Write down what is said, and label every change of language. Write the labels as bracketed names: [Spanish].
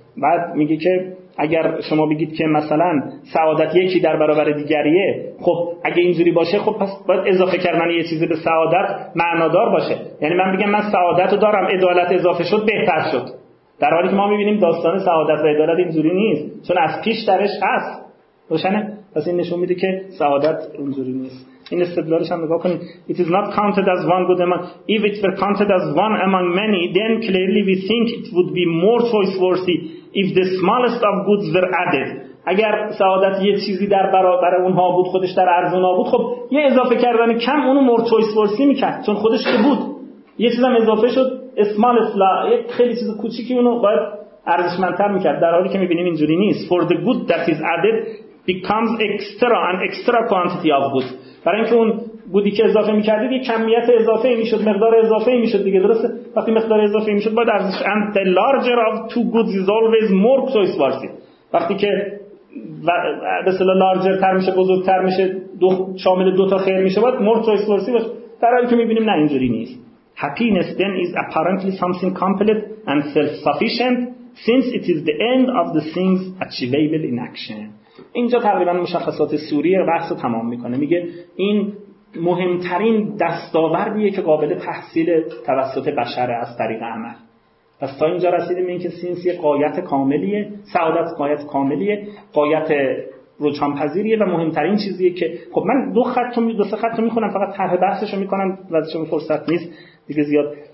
[Persian] بعد میگه که اگر شما بگید که مثلا سعادت یکی در برابر دیگریه، خب اگه اینجوری باشه، خب پس باید اضافه کردن یه چیزی به سعادت معنادار باشه. یعنی من بگم من سعادتو دارم، عدالت اضافه شد بهتر شد، در حالی که ما میبینیم داستان سعادت و عدالت اینجوری نیست، چون از پیش درش هست. روشنه؟ پس این نشون میده که سعادت اونجوری نیست. این استدلالش هم نگاه کنید. [English] It is not counted as one good among... If it were counted as one among many, then clearly we think it would be more choice worthy if the smallest of goods were added. [Persian] اگر سعادت یه چیزی در برابر اونها بود، خودش در ارزونا بود، خب یه اضافه کردن کم اونو [English] more choice worthy [Persian] میکرد، چون خودش که بود. یه چیزم اضافه شد، اسمال اصلا یک خیلی چیز کوچیکی اونو باید ارزشمندتر میکرد، در حالی که میبینیم اینجوری نیست. [English] For the good that is added becomes extra an extra quantity of good. [Persian] برای اینکه اون گودی که اضافه میکردید یک کمیت اضافه میشد، مقدار اضافه میشد دیگه. درسته؟ وقتی مقدار اضافه میشد باید ارزش، [English] and the larger of two goods is always more choice worthy. [Persian] وقتی که به اصطلاح larger تر میشه، بزرگتر میشه، دو شامل دو تا خیر میشه، باید [English] more choice worthy [Persian] باشه، در حالی که میبینیم نه اینجوری نیست. [English] Happiness then is apparently something complete and self-sufficient since it is the end of the things achievable in action. [Persian] اینجا تقریبا مشخصات سوری بحث رو تمام میکنه. میگه این مهمترین دستاوردیه که قابل تحصیل توسط بشر از طریق عمل. پس تا اینجا رسیدیم این که سینس یه غایت کاملیه، سعادت غایت کاملیه، غایت روچان پذیریه و مهمترین چیزیه که خب من دو سه خط رو میخونم، فقط طرح بحثش رو میکنم و شما فرصت نیست دیگه زیاد.